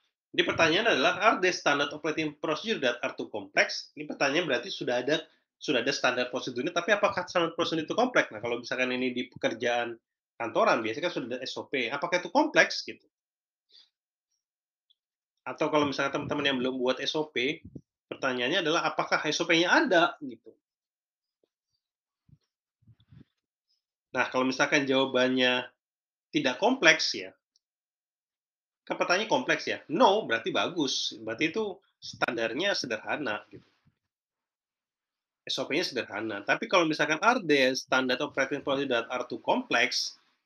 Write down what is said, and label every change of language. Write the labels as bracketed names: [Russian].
[Indonesian] Jadi pertanyaan adalah, [English] are there standard operating procedure that are too complex? [Indonesian] Ini pertanyaan berarti sudah ada standar prosedurnya, tapi apakah standar prosedur itu kompleks? Nah, kalau misalkan ini di pekerjaan kantoran, biasanya kan sudah ada SOP, apakah itu kompleks gitu? Atau kalau misalnya teman-teman yang belum buat SOP, pertanyaannya adalah apakah SOP-nya ada gitu. Nah, kalau misalkan jawabannya tidak kompleks ya. Kan pertanyaannya kompleks ya. [English] No, [Indonesian] berarti bagus. Berarti itu standarnya sederhana gitu. SOP-nya sederhana. Tapi kalau misalkan [English] are there standard operating procedure that are too complex?